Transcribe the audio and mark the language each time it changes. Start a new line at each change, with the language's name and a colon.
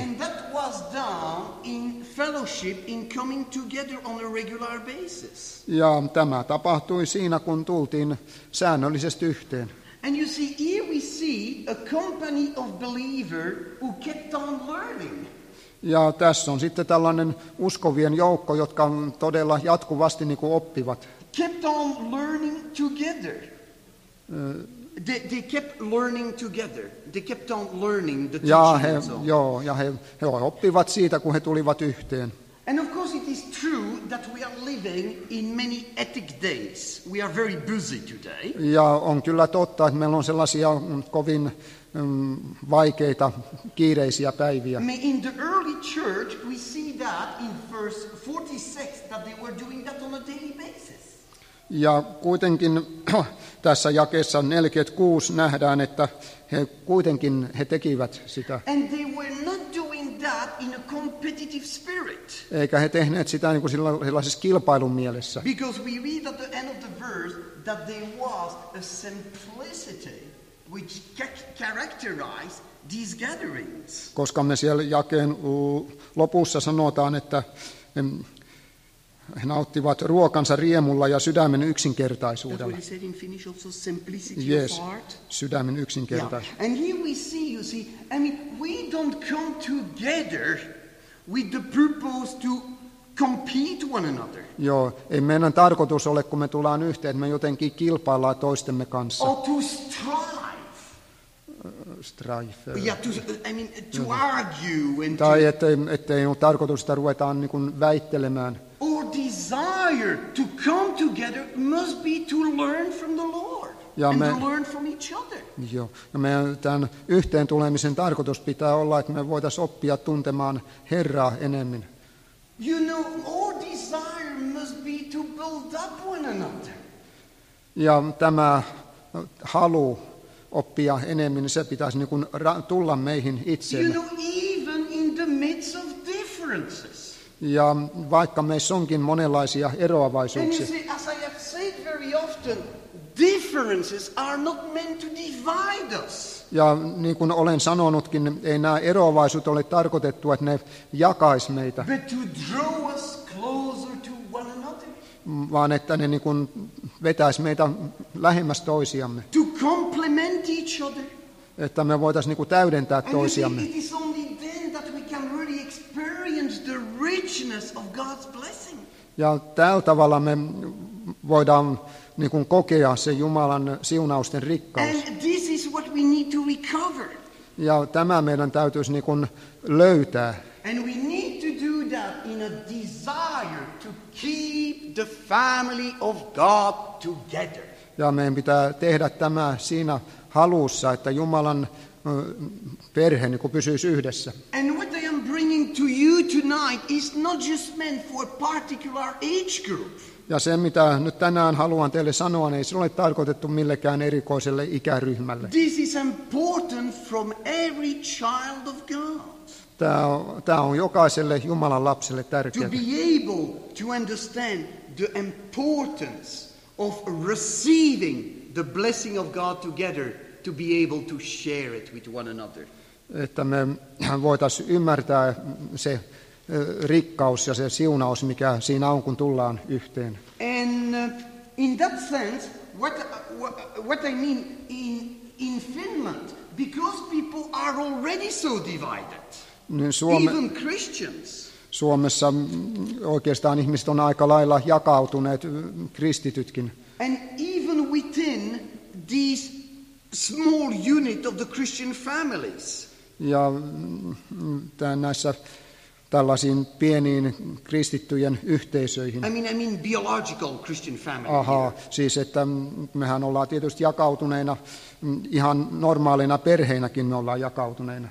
English: And that was done in fellowship, in coming together on a regular basis.
Finnish: Ja tämä tapahtui siinä, kun tultiin säännöllisesti yhteen.
English: And you see, here we see a company of believers who kept on learning.
Finnish: Ja tässä on sitten tällainen uskovien joukko, jotka on todella jatkuvasti niin kuin oppivat.
English: Kept on learning together. They kept learning together. They kept on learning the teaching.
Finnish: Ja he oppivat siitä, kun he tulivat yhteen.
English: And of course it is true that we are living in many hectic days. We are very busy today.
Finnish: Ja on kyllä totta, että meillä on sellaisia kovin vaikeita, kiireisiä päiviä.
English: In the early church we see that in verse 46 that they were doing that on a daily basis.
Finnish: Ja kuitenkin tässä jakeessa 46 nähdään, että he kuitenkin he tekivät sitä.
English: And they were not doing that in a competitive spirit.
Finnish: Eikä he tehneet sitä niin kuin sellaisessa kilpailun mielessä.
English: Because we read at the end of the verse that there was a simplicity which characterized these gatherings.
Finnish: Koska me siellä jakeen lopussa sanotaan, että he nauttivat ruokansa riemulla ja sydämen yksinkertaisuudella.
English: That's what he said in Finnish also, simplicity yes, of heart.
Finnish: Sydämen yksinkertaisuus.
English: Yeah. And here we see, you see, I mean, we don't come together with the purpose to compete one another.
Finnish: Joo, ei meidän tarkoitus ole, kun me tullaan yhteen, että me jotenkin kilpaillaan toistemme kanssa.
English: Or to strive. Strife. Yeah, to, I mean, to mm-hmm. argue. And
Finnish: tai
English: to...
Finnish: ettei ole tarkoitus, että ruvetaan niin kuin väittelemään.
English: Our desire to come together must be to learn from the Lord and to learn from each other.
Finnish: Joo. Ja meidän tämän yhteen tulemisen tarkoitus pitää olla, että me voitaisiin oppia tuntemaan Herraa enemmän.
English: You know, our desire must be to build up one another.
Finnish: Ja tämä halu oppia enemmän, se pitäisi niin kuin tulla meihin itseemme.
English: You know, even in the midst of differences.
Finnish: Ja vaikka meissä onkin monenlaisia eroavaisuuksia.
English: As I have said very often, differences are not meant to divide us.
Finnish: Ja niin kuin olen sanonutkin, ei nämä eroavaisuudet ole tarkoitettu, että ne jakaisi meitä.
English: But to draw us closer to one another.
Finnish: Vaan että ne niin kuin vetäisi meitä lähemmäs toisiamme.
English: To complement each other.
Finnish: Että me voitaisiin niin kuin täydentää toisiamme.
English: And it is only then that we can really experience the richness of God's blessing.
Finnish: Ja tällä tavalla me voidaan niin kuin kokea se Jumalan siunausten rikkaus.
English: And this is what we need to recover.
Finnish: Ja tämä meidän täytyisi niin kuin löytää.
English: And we need to do that in a desire to keep the family of God together.
Finnish: Ja meidän pitää tehdä tämä siinä halussa, että Jumalan perhe niin kuin pysyisi yhdessä.
English: And what I am bringing to you tonight is not just meant for a particular age group.
Finnish: Ja se, mitä nyt tänään haluan teille sanoa, ei se ole tarkoitettu millekään erikoiselle ikäryhmälle.
English: This is important from every child of God.
Finnish: Tämä on jokaiselle Jumalan lapselle tärkeää.
English: To be able to understand the importance of receiving the blessing of God together, to be able to share it with one another.
Finnish: Että me voitaisiin ymmärtää se rikkaus ja se siunaus, mikä siinä on, kun tullaan yhteen.
English: And in that sense, what I mean in Finland, because people are already so divided,
Finnish: niin
English: even Christians.
Finnish: Suomessa oikeastaan ihmiset on aika lailla jakautuneet, kristitytkin.
English: And even within these small unit of the Christian families.
Finnish: Ja näissä tällaisiin pieniin kristittyjen yhteisöihin.
English: I mean biological Christian family.
Finnish: Aha, siis että mehän ollaan tietysti jakautuneina, ihan normaalina perheinäkin me ollaan jakautuneina.